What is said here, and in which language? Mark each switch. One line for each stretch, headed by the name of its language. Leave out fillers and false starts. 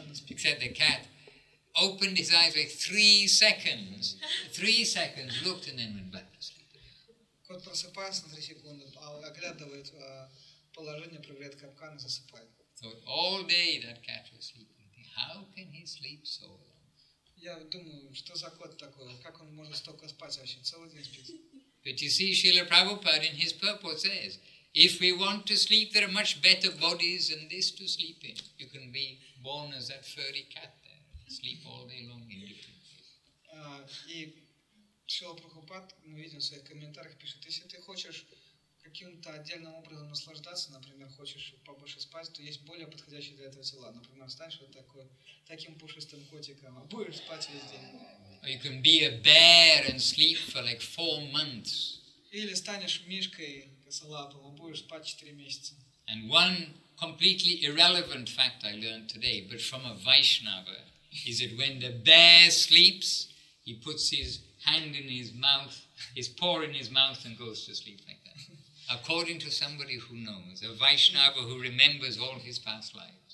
English: Except the cat opened his eyes like 3 seconds. 3 seconds, looked and then went back to sleep.
Russian: Кот просыпается на 3 секунды, а оглядывает положение, проверяет капкан и засыпает.
English: So all day that cat was sleeping. How can he sleep so long?
Russian: Я думаю, что за кот такой? Как он может столько спать вообще? Целый день спит.
English: But you see, Srila Prabhupada in his purport says, if we want to sleep, there are much better bodies than this to sleep in. You can be born as that furry cat there, sleep all day long in different places.
Russian: И Шрила Прабхупад, мы видим в своих комментариях, пишет, если ты хочешь каким-то отдельным образом наслаждаться, например, хочешь побольше спать, то есть более подходящие для этого тела. Например, станешь вот такой, таким пушистым котиком, а будешь спать весь день.
English: You can be a bear and sleep for like 4 months.
Russian: Или станешь мишкой косолапым, а будешь спать 4 месяца.
English: And one completely irrelevant fact I learned today, but from a Vaishnava, is that when the bear sleeps, he puts his hand in his mouth, his paw in his mouth and goes to sleep like that. According to somebody who knows, a Vaishnava who remembers all his past lives.